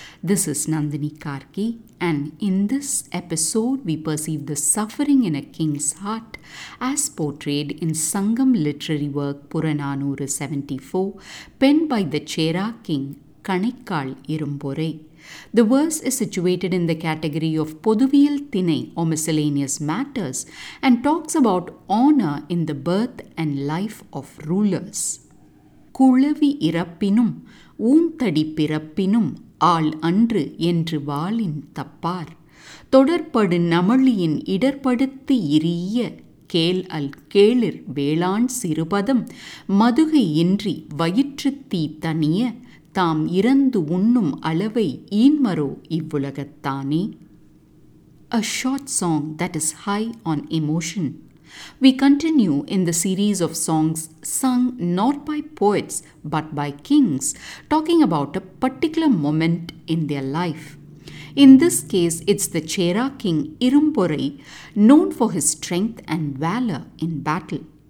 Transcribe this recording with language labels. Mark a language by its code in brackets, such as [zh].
[en] This is Nandini Karki, and in this episode we perceive the suffering in a king's heart as portrayed in Sangam literary work Purananuru 74 penned by the Chera king Kanikkal Irumpore. The verse is situated in the category of Poduviyal Thinai or miscellaneous matters and talks about honour in the birth and life of rulers. [ta] குழவி இறப்பினும் ஊந்தடி பிறப்பினும் ஆள் அன்று என்று வாளின் தப்பார் தொடர்படு நமளியின் இடர்படுத்து இரிய கேள் அல் கேளிர் வேளாண் சிறுபதம் மதுகையின்றி வயிற்று தீ தனிய தாம் இறந்து உண்ணும் அளவை ஈன்மரோ இவ்வுலகத்தானே. [en] A short song that is high on emotion. We continue in the series of songs sung not by poets but by kings, talking about a particular moment in their life. In this case, it's the Chera king Irumpore, known for his strength and valor in battle.